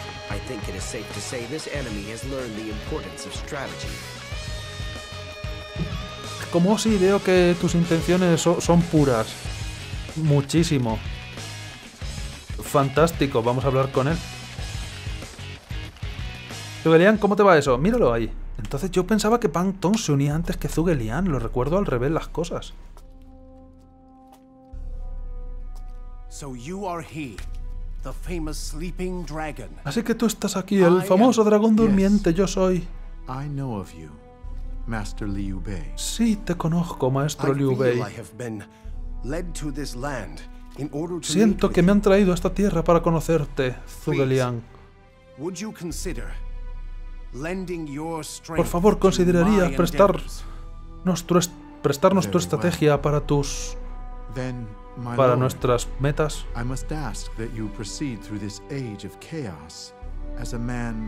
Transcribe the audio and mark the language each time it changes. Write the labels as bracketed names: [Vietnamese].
[English] I think it is safe to say this enemy has learned the importance of strategy. [Spanish] Como si veo que tus intenciones son puras. Muchísimo. Fantástico, vamos a hablar con él. Zugelian, ¿cómo te va eso? Míralo ahí. Entonces yo pensaba que Pang Tong se unía antes que Zugelian, lo recuerdo al revés las cosas. [English] So you are he. The famous sleeping dragon. [Spanish] Así que tú estás aquí, el famoso dragón durmiente, yo soy. [English] I know of you, Master Liu Bei. [Spanish] Sí, te conozco, Maestro Liu Bei. [English] I have been led to this land in order to [Spanish] Siento que me han traído a esta tierra para conocerte, Zugelian. [English] Would you consider lending your strength? [Spanish] Por favor, ¿considerarías prestar prestarnos tu estrategia para tus [English] Then [Spanish] Para nuestras metas. [English] I must ask that you proceed through this age of chaos as a man.